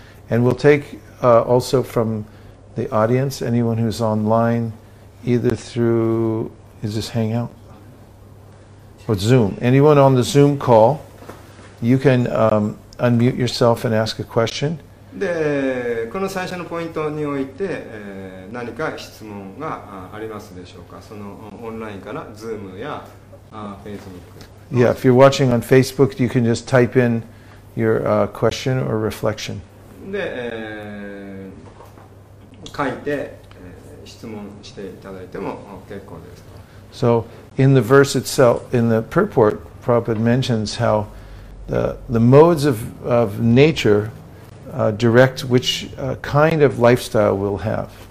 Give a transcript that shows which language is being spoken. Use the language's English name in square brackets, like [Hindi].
[English] And we'll take also from the audience, anyone who's online, either through, is this Hangout? Or Zoom. Anyone on the Zoom call, you can unmute yourself and ask a question. [Japanese] でこの最初のポイントにおいて、何か質問がありますでしょうか。そのオンラインから Zoom や Facebook。 [English] Yeah, if you're watching on Facebook, you can just type in your question or reflection. [Japanese] で、書いて、質問していただいても結構です。 [English] So in the verse itself, in the purport, Prabhupada mentions how the modes of naturedirect which kind of lifestyle we'll have.